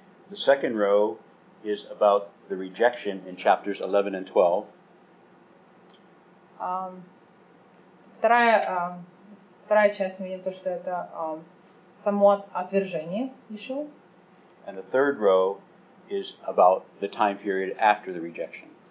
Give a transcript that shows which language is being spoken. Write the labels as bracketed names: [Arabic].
[English] The second row is about the rejection in chapters 11 and 12. [Russian] Вторая часть, мы видим то, что это само отвержение Иешуа. [English] And the third row is about the time period after the rejection.